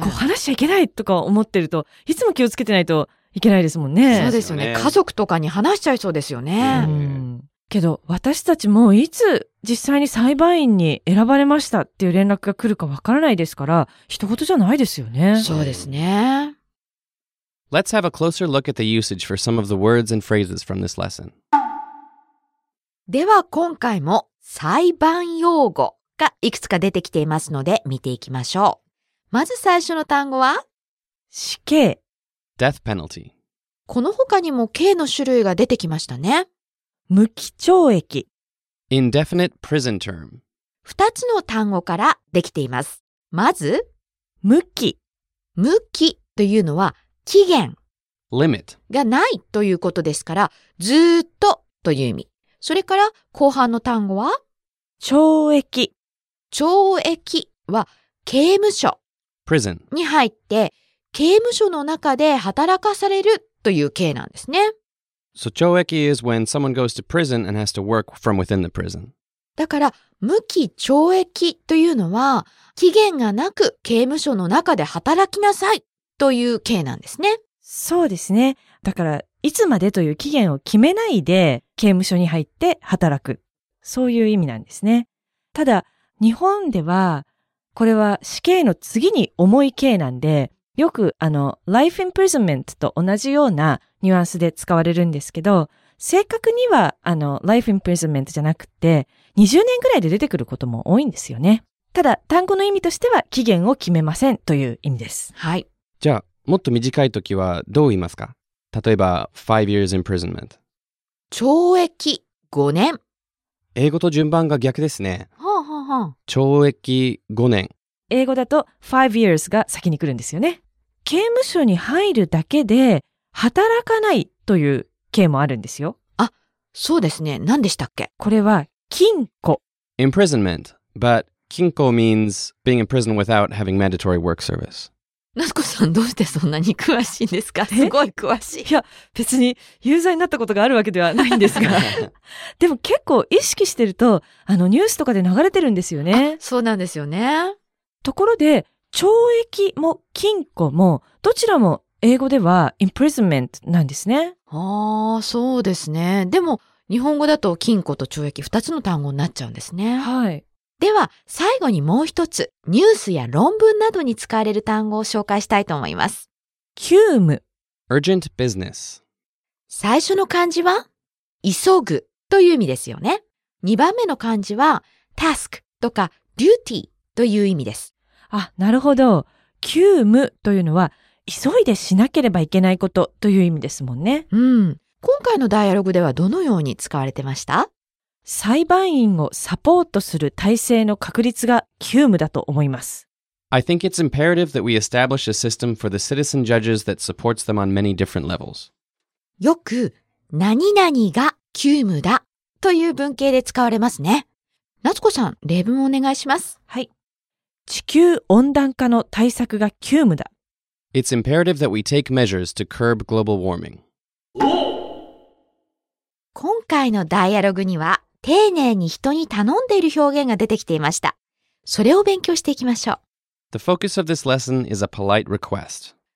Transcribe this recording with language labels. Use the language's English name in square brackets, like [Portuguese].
[Japanese] こう話しちゃいけないとか思ってるといつも気をつけてないといけないですもんね。そうですよね。家族とかに話しちゃいそうですよね。けど私たちもいつ実際に裁判員に選ばれましたっていう連絡が来るかわからないですから、一言じゃないですよね。そうですね。 [English] Let's have a closer look at the usage for some of the words and phrases from this lesson. [Japanese] では今回も裁判用語がいくつか出てきていますので見ていきましょう。まず最初の単語は死刑。 [English] Death penalty。 [Japanese] この他にも刑の種類が出てきましたね。無期懲役。 [English] indefinite prison term。 [Japanese] 2つの単語からできています。まず、無期。無期というのは、期限。 [English] limit。 [Japanese] がないということですから、ずーっとという意味。それから、後半の単語は、懲役。懲役は、刑務所。 [English] prison。 [Japanese] に入って、刑務所の中で働かされるという刑なんですね。 [English] So, 懲役 is when someone goes to prison and has to work from within the prison. [Japanese] だから、無期懲役というのは、期限がなく刑務所の中で働きなさいという刑なんですね。そうですね。だから、いつまでという期限を決めないで刑務所に入って働く。そういう意味なんですね。ただ、日本では、これは死刑の次に重い刑なんで、よく life imprisonment と同じようなニュアンスで使われるんですけど、正確には life imprisonment じゃなくて、20年ぐらいで出てくることも多いんですよね。ただ、単語の意味としては、期限を決めませんという意味です。はい。じゃあ、もっと短い時はどう言いますか？例えば、 [English] 5 years imprisonment。 [Japanese] 懲役5年。英語と順番が逆ですね。はあはあ、懲役5年。英語だと5 years が先に来るんですよね。刑務所に入るだけで働かないという刑もあるんですよ。あ、そうですね。何でしたっけ？これは禁錮。 [English] Imprisonment, but 禁錮 means being in prison without having mandatory work service. [Japanese] なつこさん、どうしてそんなに詳しいんですか？すごい詳しい。いや、別に有罪になったことがあるわけではないんですが。でも結構意識してると、ニュースとかで流れてるんですよね。そうなんですよね。ところで、懲役も禁錮も、どちらも英語では imprisonment なんですね。ああ、そうですね。でも、日本語だと禁錮と懲役2つの単語になっちゃうんですね。はい。では最後にもう一つ、ニュースや論文などに使われる単語を紹介したいと思います。急務、 [English] Urgent business。 [Japanese] 最初の漢字は急ぐという意味ですよね。 2番目の漢字は task とか duty という意味です。あ、なるほど。急務というのは急いでしなければいけないことという意味ですもんね。うん。今回のダイアログではどのように使われてました？裁判員をサポートする体制の確立が急務だと思います。 [English] I think it's imperative that we establish a system for the citizen judges that supports them on many different levels. [Japanese] よく、何々が急務だという文型で使われますね。夏子さん、例文をお願いします。はい。地球温暖化の対策が急務だ。 [English] It's imperative that we take measures to curb global warming. [Japanese] 今回のダイアログには、丁寧に人に頼んでいる表現が出てきていました。それを勉強していきましょう。 [English] The focus of this lesson is a polite request.